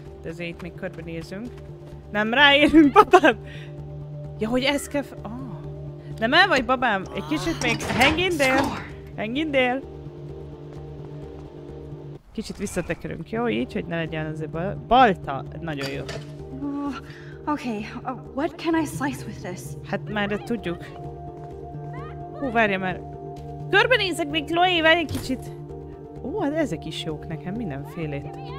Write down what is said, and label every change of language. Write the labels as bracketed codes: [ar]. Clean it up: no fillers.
[hu] De azért itt még körbenézünk. Nem ráérünk, babám! Ja, hogy ez kell... Oh. Nem el vagy, babám? Egy kicsit még... Hang in there! Kicsit visszatekerünk, jó? Így, hogy ne legyen azért balta. Nagyon jó. [en] Okay, what can I slice with this? [hu] Hát már tudjuk. Hú, várja már. Körbenézek még, Chloe, várj egy kicsit. Ó, de ezek is jók nekem, mindenfélét.